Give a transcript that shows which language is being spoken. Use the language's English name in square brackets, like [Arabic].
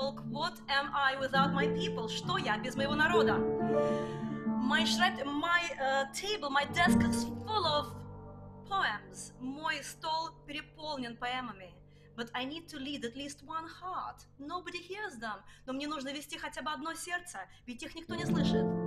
[English] What am I without my people? [Russian] Что я без моего народа? [English] My table, my desk is full of poems. [Russian] Мой стол переполнен поэмами. [English] But I need to lead at least one heart. Nobody hears them. [Russian] Но мне нужно вести хотя бы одно сердце, ведь их никто не слышит.